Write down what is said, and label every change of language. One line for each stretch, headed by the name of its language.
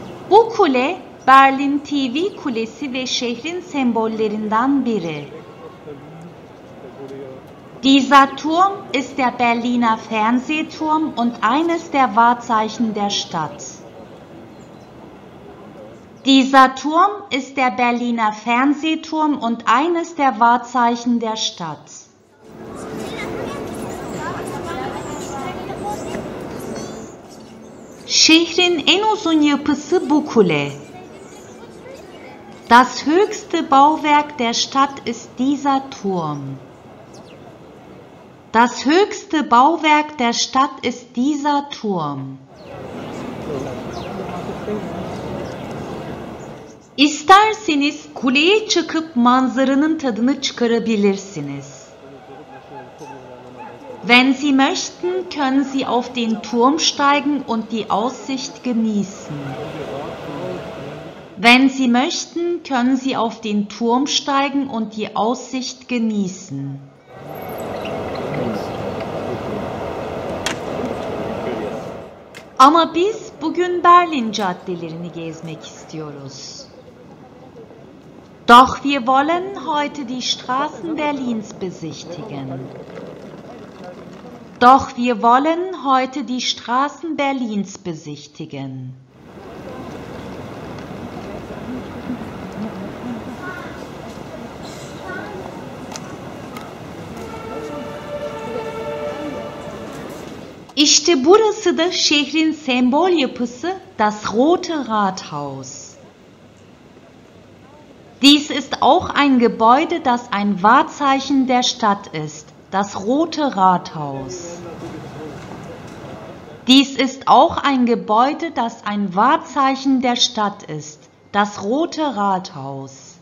Turkish: Bu kule Berlin TV kulesi ve şehrin sembollerinden biri.
German: Dieser Turm ist der Berliner Fernsehturm und eines der Wahrzeichen der Stadt. Dieser Turm ist der Berliner Fernsehturm und eines der Wahrzeichen der Stadt.
Turkish: Şehrin en uzun yapısı bu kule.
German: Das höchste Bauwerk der Stadt ist dieser Turm. Das höchste Bauwerk der Stadt ist dieser Turm.
Turkish: İsterseniz kuleye çıkıp manzaranın tadını çıkarabilirsiniz.
German: Wenn Sie möchten, können Sie auf den Turm steigen und die Aussicht genießen. Wenn Sie möchten, können Sie auf den Turm steigen und die Aussicht genießen.
Turkish: Ama biz bugün Berlin caddelerini gezmek istiyoruz.
German: Doch wir wollen heute die Straßen Berlins besichtigen. Doch wir wollen heute die Straßen Berlins besichtigen.
Turkish: İşte burası da şehrin sembol yapısı, das Rote Rathaus.
German: Dies ist auch ein Gebäude, das ein Wahrzeichen der Stadt ist, das Rote Rathaus. Dies ist auch ein Gebäude, das ein Wahrzeichen der Stadt ist, das Rote Rathaus.